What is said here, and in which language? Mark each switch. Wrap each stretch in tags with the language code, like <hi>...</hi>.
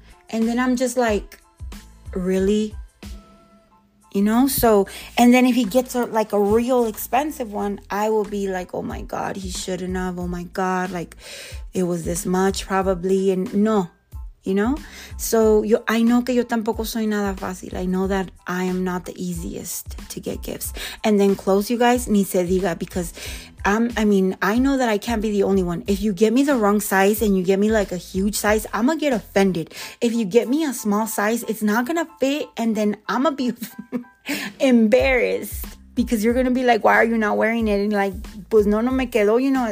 <en>And then I'm just like, really? You know? So, and then if he gets a real expensive one, I will be like, oh my God, he shouldn't have. Oh my God, like, it was this much probably. And no, you know? So, I know</en> <es>que yo tampoco soy nada fácil.</es> <en>I know that I am not the easiest to get gifts. And then close, you guys,</en> <es>ni se diga,</es> <en>because I know that I can't be the only one. If you get me the wrong size and you get me like a huge size, I'm gonna get offended. If you get me a small size, it's not gonna fit. And then I'm gonna be embarrassed because you're gonna be like, why are you not wearing it? And like,</en> <es>pues no, no me quedo,</es> <en>you know.</en>